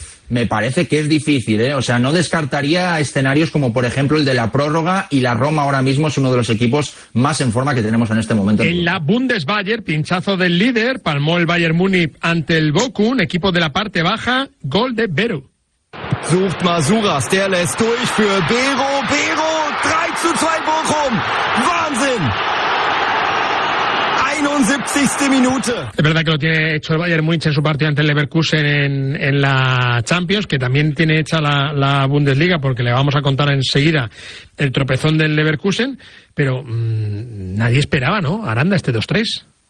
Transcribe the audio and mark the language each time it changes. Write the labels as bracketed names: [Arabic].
[Spanish] me parece que es difícil, ¿eh? O sea, no descartaría escenarios como, por ejemplo, el de la prórroga, y la Roma ahora mismo es uno de los equipos más en forma que tenemos en este momento. En la Bundesbayern, pinchazo del líder, palmó el Bayern Múnich ante el Bochum, equipo de la parte baja, gol de Beru. [German] Sucht Masuras, der lässt durch für Bero, Bero, 3-2 Bochum, Wahnsinn! [Spanish] 71. minuto. Es verdad que lo tiene hecho el Bayern Múnich en su partido ante el Leverkusen en la Champions, que también tiene hecha la Bundesliga, porque le vamos a contar enseguida el tropezón del Leverkusen, pero nadie esperaba, ¿no? Aranda, este 2-3.